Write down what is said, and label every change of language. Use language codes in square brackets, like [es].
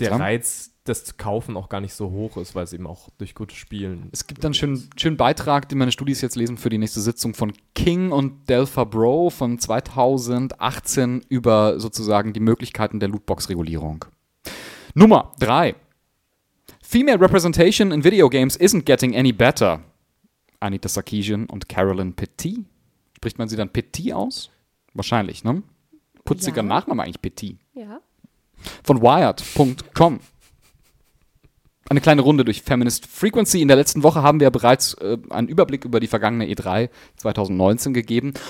[de] Der Reiz, das zu kaufen, auch gar nicht so hoch ist, weil es eben auch durch gutes Spielen. Es gibt dann einen schönen Beitrag, den meine Studis jetzt lesen für die nächste Sitzung von King und Delpha Bro von 2018 über sozusagen die Möglichkeiten der Lootbox-Regulierung. Nummer 3. [en] Female Representation in Video Games isn't getting any better. [de] Anita Sarkeesian und Carolyn Petit. Spricht man sie dann Petit aus? Wahrscheinlich, ne? Putziger Nachname eigentlich Petit. Ja. Von Wired.com. Eine kleine Runde durch Feminist Frequency. In der letzten Woche haben wir bereits einen Überblick über die vergangene E3 2019 gegeben.